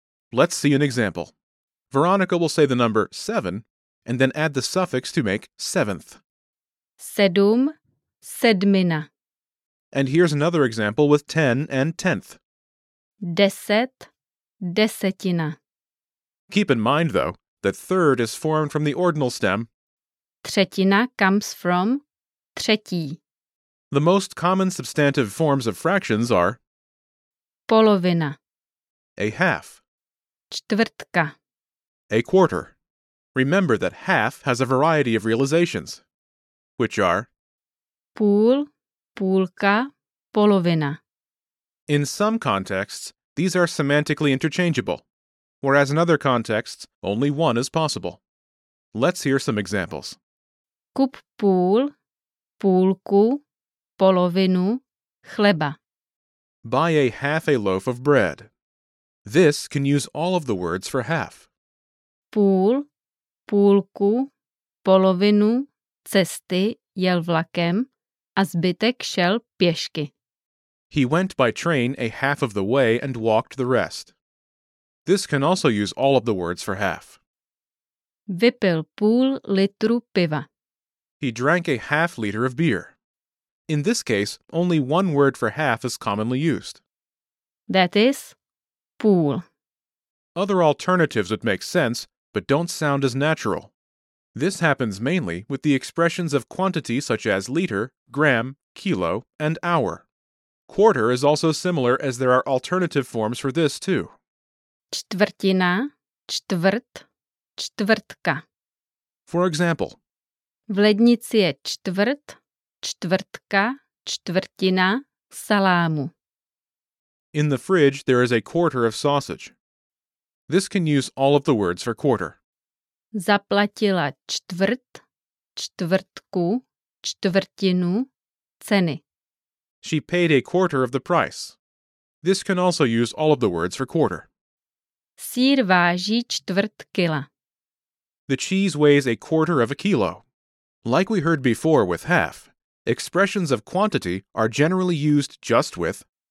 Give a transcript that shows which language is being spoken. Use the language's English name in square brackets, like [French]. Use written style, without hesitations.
[English] Let's see an example. Veronica will say the number 7 and then add the suffix to make seventh. [Czech] Sedm, sedmina. [English] And here's another example with 10 and tenth. [Czech] Deset, desetina. [English] Keep in mind, though, that third is formed from the ordinal stem. Třetina comes from třetí. The most common substantive forms of fractions are [Czech] polovina, [English] a half, [Czech] čtvrtka, [English] a quarter. Remember that half has a variety of realizations, which are [Czech] půl, půlka, polovina. [English] In some contexts, these are semantically interchangeable, whereas in other contexts, only one is possible. Let's hear some examples. [Czech] Kup půl, půlku, polovinu chleba. [English] Buy a half a loaf of bread. This can use all of the words for half. [Czech] Půl, půlku, polovinu cesty jel vlakem a zbytek šel pěšky. [English] He went by train a half of the way and walked the rest. This can also use all of the words for half. [Czech] Vypil půl litru piva. [English] He drank a half liter of beer. In this case, only one word for half is commonly used. That is půl. Other alternatives would make sense, but don't sound as natural. This happens mainly with the expressions of quantity such as liter, gram, kilo, and hour. Quarter is also similar, as there are alternative forms for this too. [Czech] Čtvrtina, čtvrt, čtvrtka. [English] For example, [Czech] v lednici je čtvrt, čtvrtka, čtvrtina salámu. [English] In the fridge there is a quarter of sausage. This can use all of the words for quarter. [Czech] Zaplatila čtvrt, čtvrtku, čtvrtinu ceny. [English] She paid a quarter of the price. This can also use all of the words for quarter. [Czech] Sýr váží čtvrt kila. [English] The cheese weighs a quarter of a kilo. Like we heard before with half, expressions of quantity are generally used just with